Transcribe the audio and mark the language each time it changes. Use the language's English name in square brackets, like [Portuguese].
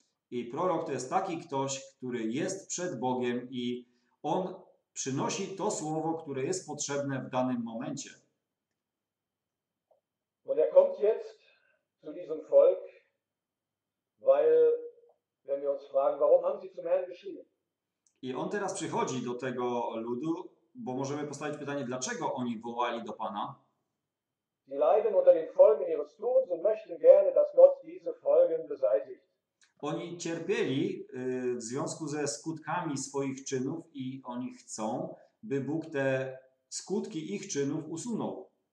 [Polish] I prorok to jest taki ktoś, który jest przed Bogiem i on przynosi to słowo, które jest potrzebne w danym momencie. [German] Und er kommt jetzt zu diesem Volk, weil, wenn wir uns fragen, warum haben sie zum Herrn geschrien? [Polish] I on teraz przychodzi do tego ludu, bo możemy postawić pytanie, dlaczego oni wołali do Pana? [German] Sie leiden unter den Folgen ihres Tuns und möchten gerne, dass Gott diese Folgen beseitigt. [Polish] Oni cierpieli w związku ze skutkami swoich czynów i oni chcą, by Bóg te skutki ich czynów usunął.